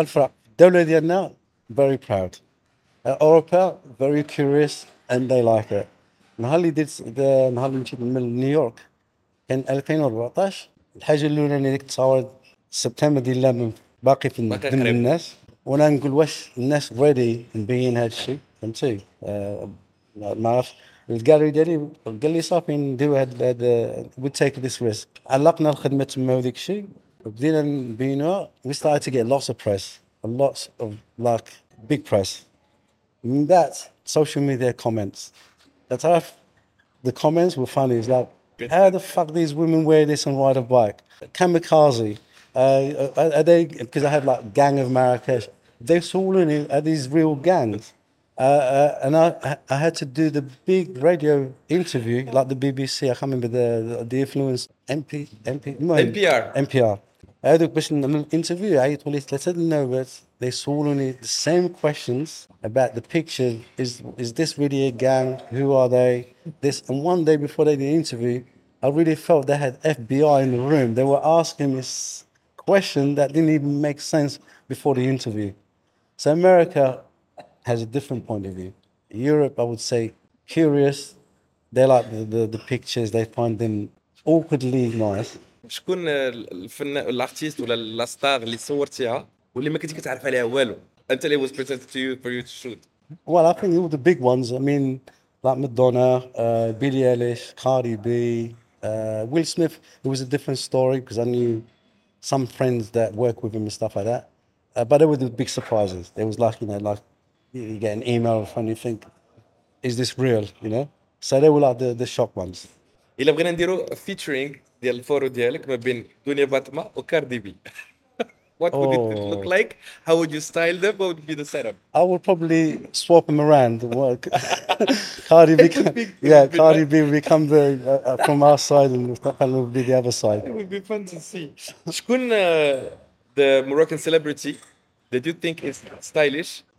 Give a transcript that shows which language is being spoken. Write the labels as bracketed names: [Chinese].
[Arabic] الفرا الدوله ديالنا [English] very proud اوروبا very curious and the like it [Arabic] نهار اللي درت نهار اللي مشيت من نيويورك كان 2014 الحاجه الاولى اللي ديك تصاورت سبتمبر ديال لامن باقي في ضمن الناس وانا نقول واش الناس ريدي نبين هاد الشيء فهمتي ما عرفتش الجاليري ديالي قال لي صافي نديرو هاد [English] we take this risk [Arabic] علقنا الخدمه تما وديك الشيء بدينا نبينو [English] we started to get lots of press, a lot of like big press. And that social media comments, that's how the comments were funny. It's like, how the fuck these women wear this and ride a bike? Kamikaze, are they, because I had like Gang of Marrakesh, they're all in it, are these real gangs? And I had to do the big radio interview, like the BBC, I can't remember the influence, NPR. [Arabic] هذا بشن الانترفيو عيطوا لي ثلاثة النوبات. [English] They sawlony the same questions about the picture. Is this really a gang? Who are they? This and one day before they did the interview, I really felt they had FBI in the room. They were asking this question that didn't even make sense before the interview. So America has a different point of view. Europe, I would say, curious. They like the pictures. They find them awkwardly nice. [Arabic] شكون الفنان الارتيست ولا لا ستار اللي صورتيها واللي ما كنتي كتعرف عليها والو انت اللي [English] was presented to you for you to shoot? Well, I think all the big ones, I mean like Madonna, Billie Eilish, Cardi B, Will Smith. It was a different story because I knew some friends that work with him and stuff like that, but they were the big surprises. It was like, you know, like you get an email and you think, is this real, you know? So they were like the shock ones. [Arabic] الا بغينا نديرو featuring ديال الفورو ديالك ما بين دنيا فاطمة وكاردي بي. [English] What would it look like? How would you style them? What would be the setup? I would probably swap them around. Cardi B, yeah, Cardi B become the from our side and Fatma would be the other side. It would be fun to see. [Arabic] شكون [English] the Moroccan celebrity that you think is stylish?